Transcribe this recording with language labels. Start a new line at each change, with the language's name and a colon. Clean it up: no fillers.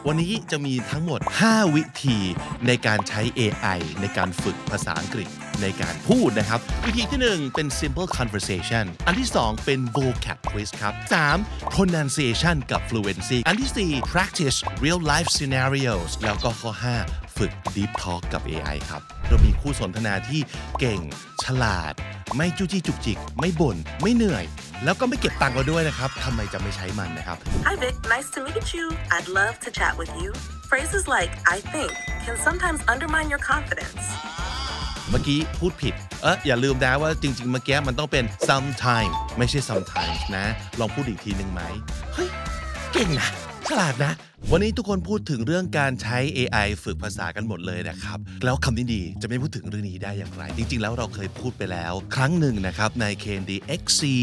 Thai: วันนี้จะมีทั้งหมด5วิธีในการใช้ AI ในการฝึกภาษาอังกฤษในการพูดนะครับวิธีที่1เป็น simple conversation อันที่2เป็น vocab quiz ครับ3 pronunciation กับ fluency อันที่4 practice real life scenarios แล้วก็ข้อ5ฝึก deep talk กับ AI ครับเรามีคู่สนทนาที่เก่งฉลาดไม่จู้จี้จุกจิกไม่บ่นไม่เหนื่อยแล้วก็ไม่เก็บตังค์เราด้วยนะครับทำไมจะไม่ใช้มันนะครับ
English: Hi Vic, nice to meet you. I'd love to chat with you. Phrases like I think can sometimes undermine your confidence.
Thai: เมื่อกี้พูดผิดอย่าลืมนะว่าจริงๆเมื่อกี้มันต้องเป็น sometime ไม่ใช่ sometimes นะลองพูดอีกทีนึงไหมเฮ้ยเก่งนะฉลาดนะวันนี้ทุกคนพูดถึงเรื่องการใช้ AI ฝึกภาษากันหมดเลยนะครับแล้วคำนี้ดีจะไม่พูดถึงเรื่องนี้ได้อย่างไรจริงๆแล้วเราเคยพูดไปแล้วครั้งหนึ่งนะครับใน KND XC